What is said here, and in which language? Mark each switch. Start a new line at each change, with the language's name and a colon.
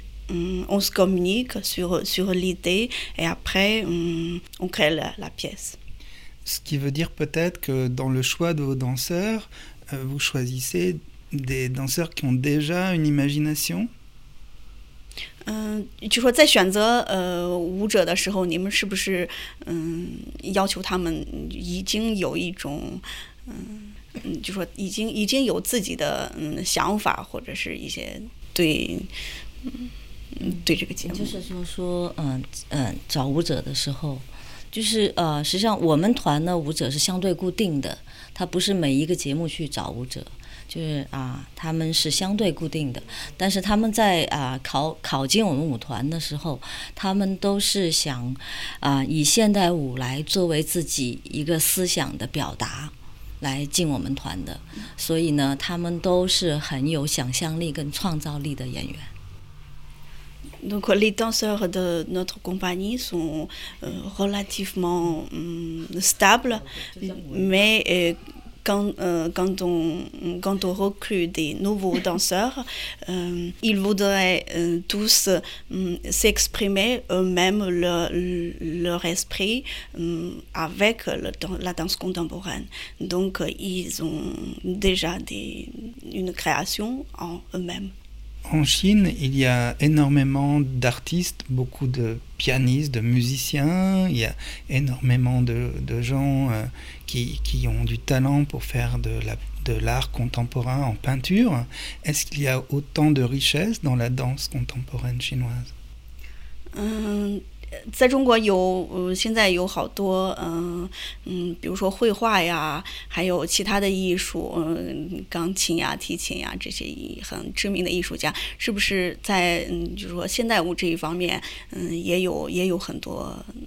French: On se communique sur l'idée et après on crée la pièce. Ce qui veut dire peut-être que dans le choix de vos danseurs, vous choisissez des danseurs qui ont déjà une imagination?
Chinese: 就说在选择舞者的时候，你们是不是要求他们已经有一种就说已经有自己的想法，或者是一些对这个节目，就是说找舞者的时候，就是实际上我们团的舞者是相对固定的，他不是每一个节目去找舞者。就是他们是相对固定的，但是他们在考进我们舞团的时候，他们都是想以现代舞来作为自己一个思想的表达来进我们团的，所以呢他们都是很有想象力跟创造力的演员。
French: Donc les danseurs de notre compagnie sont relativement stables, mais quand on recrute des nouveaux danseurs, ils voudraient tous s'exprimer eux-mêmes, leur esprit avec la danse contemporaine. Donc ils ont déjà une création en eux-mêmes. En Chine, il y a énormément d'artistes, beaucoup de pianistes, de musiciens, il y a énormément de gens qui ont du talent pour faire de l'art contemporain en peinture. Est-ce qu'il y a autant de richesse dans la danse contemporaine chinoise?
Chinese: 在中国有现在有好多比如说绘画呀，还有其他的艺术，钢琴呀、提琴呀，这些很知名的艺术家，是不是在就是说现代舞这一方面也有很多